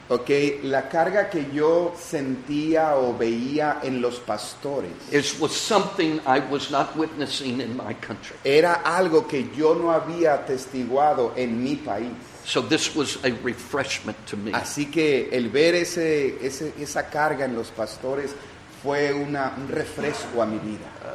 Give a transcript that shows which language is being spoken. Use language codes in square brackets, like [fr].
[es] Okay, la carga que yo sentía o veía en los pastores. [en] It was something I was not witnessing in my country. [es] Era algo que yo no había atestiguado en mi país. [en] So this was a refreshment to me. [es] Así que el ver esa carga en los pastores fue un refresco a mi vida.